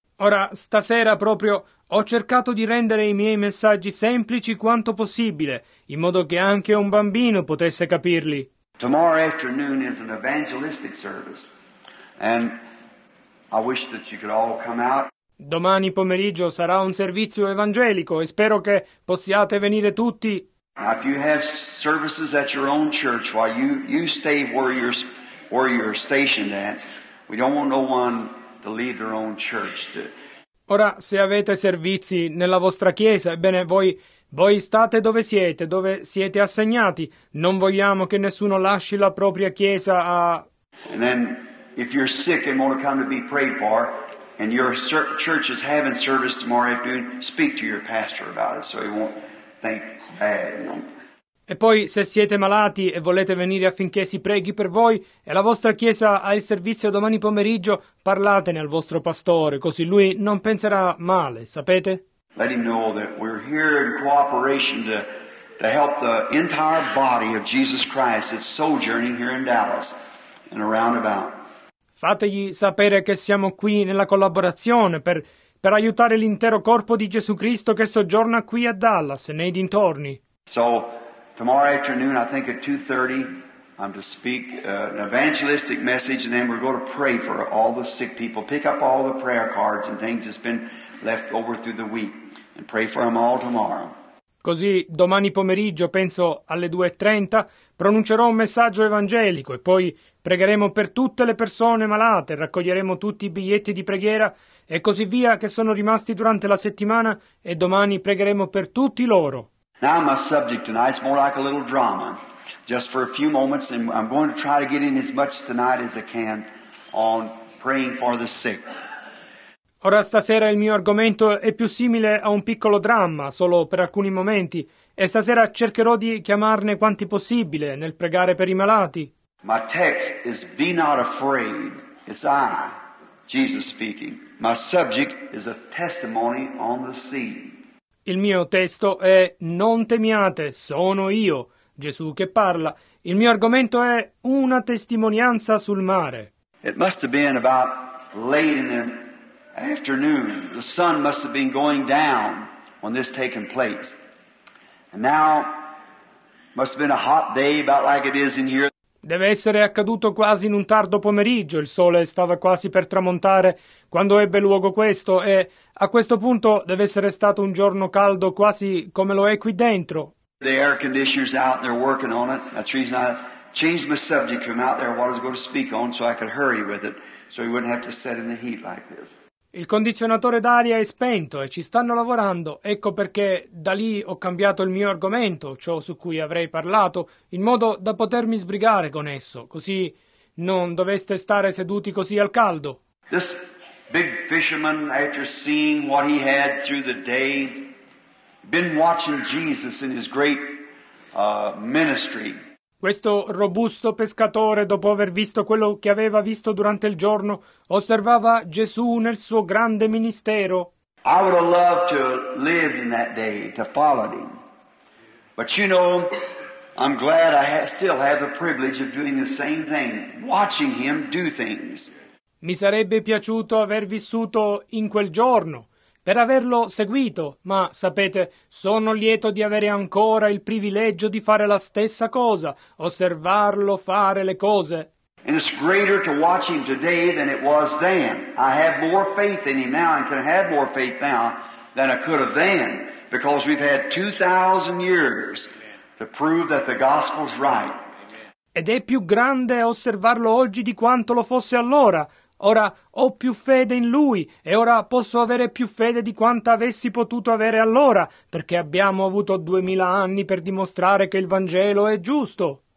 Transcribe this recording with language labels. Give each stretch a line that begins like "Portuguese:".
Italian: Ora, stasera proprio, ho cercato di rendere i miei messaggi semplici quanto possibile, in modo che anche un bambino potesse capirli.
English: Tomorrow afternoon is an evangelistic service, and I wish that you could all come out.
Italian: Domani pomeriggio sarà un servizio evangelico e spero che possiate venire tutti.
English: Now, if you have services at your own church, while you stay where you're stationed at, we don't want no one to leave their own church to.
Italian: Ora, se avete servizi nella vostra chiesa, ebbene, voi state dove siete assegnati. Non vogliamo che nessuno lasci la propria chiesa a...
English: And then if you're sick and want to come to be prayed for, and your church is having service tomorrow afternoon, speak to your pastor about it so he won't think bad.
Italian: E poi se siete malati e volete venire affinché si preghi per voi e la vostra chiesa ha il servizio domani pomeriggio, parlatene al vostro pastore, così lui non penserà male, sapete?
English: Let him know that we're here in cooperation to help the entire body of Jesus Christ that's sojourning here in Dallas and around about.
Italian: Fategli sapere che siamo qui nella collaborazione per aiutare l'intero corpo di Gesù Cristo che soggiorna qui a Dallas e nei dintorni.
English: So, tomorrow afternoon, I think at 2:30, I'm to speak an evangelistic message, and then we're going to pray for all the sick people. Pick up all the prayer cards and things that's been left over through the week, and pray for them all tomorrow.
Italian: Così, domani pomeriggio, penso alle 2:30, pronuncerò un messaggio evangelico e poi pregheremo per tutte le persone malate, raccoglieremo tutti i biglietti di preghiera e così via che sono rimasti durante la settimana e domani pregheremo per tutti loro.
English: Now my subject tonight is more like a little drama, just for a few moments, and I'm going to try to get in as much tonight as I can on praying for the sick.
Italian: Ora stasera il mio argomento è più simile a un piccolo dramma, solo per alcuni momenti, e stasera cercherò di chiamarne quanti possibile nel pregare per i malati.
English: My text is be not afraid, it's I, Jesus speaking. My subject is a testimony on the sea.
Italian: Il mio testo è non temiate, sono io, Gesù che parla. Il mio argomento è una testimonianza sul mare.
English: It must have been about late in the afternoon. The sun must have been going down when this taken place. And now must have been a hot day about like it is in here.
Italian: Deve essere accaduto quasi in un tardo pomeriggio, il sole stava quasi per tramontare quando ebbe luogo questo e a questo punto deve essere stato un giorno caldo quasi come lo è qui dentro.
English: The air conditioner's out and they're working on it. That's the reason I changed my subject from out there what I was going to speak on so I could hurry with it so we wouldn't have to sit in the heat like this.
Italian: Il condizionatore d'aria è spento e ci stanno lavorando, ecco perché da lì ho cambiato il mio argomento, ciò su cui avrei parlato, in modo da potermi sbrigare con esso, così non doveste stare seduti così al caldo.
English: This big fisherman, after seeing what he had through the day, been watching Jesus in his great ministry.
Italian: Questo robusto pescatore, dopo aver visto quello che aveva visto durante il giorno, osservava Gesù nel suo grande ministero.
English: I would have loved to live in that day, to follow him. But you know, I'm glad I still have the privilege of doing the same thing, watching him do things.
Italian: Mi sarebbe piaciuto aver vissuto in quel giorno, per averlo seguito, ma sapete, sono lieto di avere ancora il privilegio di fare la stessa cosa, osservarlo fare le cose.
English: And it's greater to watch him today than it was then. I have more faith in him now and can have more faith now than I could have then, because we've had 2,000 years to prove that the gospel's right.
Italian: Ed è più grande osservarlo oggi di quanto lo fosse allora. Ora ho più fede in Lui e ora posso avere più fede di quanto avessi potuto avere allora, perché abbiamo avuto 2,000 anni per dimostrare che il Vangelo è giusto.